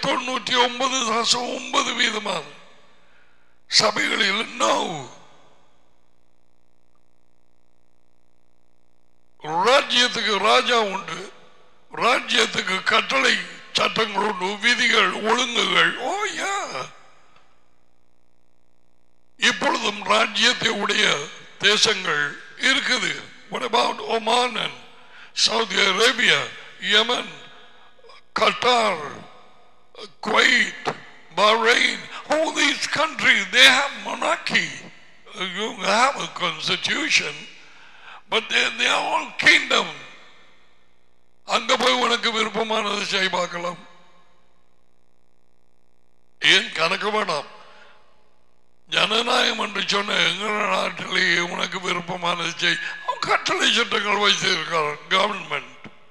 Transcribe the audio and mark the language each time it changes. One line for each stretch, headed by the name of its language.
Tamil: 99.9% சபைகளில் ராஜ்யத்துக்கு ராஜா உண்டு, ராஜ்யத்துக்கு கட்டளை சட்டங்கள் உண்டு, விதிகள் ஒழுங்குகள். ஓயா, இப்பொழுதும் ராஜ்யத்தையுடைய தேசங்கள் இருக்குது.
English: What about Oman and Saudi Arabia, Yemen, Qatar, Kuwait, Bahrain? All these countries, they have monarchy. You have a constitution, but they are all kingdom.
Tamil: அங்க போய் உனக்கு விருப்பமானது செய் பார்க்கலாம். ஏன் கணக்கு வேணாம். ஜனநாயகம் என்று சொன்ன எங்கள் நாட்டிலேயே உனக்கு விருப்பமானது செய். கட்டளை சட்டங்கள் வைத்திருக்கார் கவர்மெண்ட்.